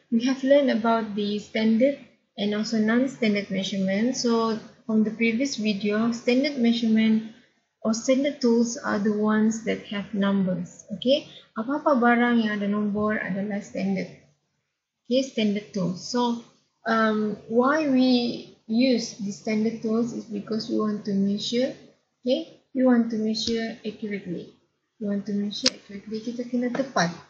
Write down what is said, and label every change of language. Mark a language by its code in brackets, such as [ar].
[en] We have learned about the standard and also non-standard measurement. So from the previous video, standard measurement or standard tools are the ones that have numbers. [ms] Okay, apa-apa barang yang ada nombor adalah standard. [en] Okay, standard tools. So why we use the standard tools is because you want to measure, okay? You want to measure accurately. You want to measure accurately, [ms] kita kena tepat.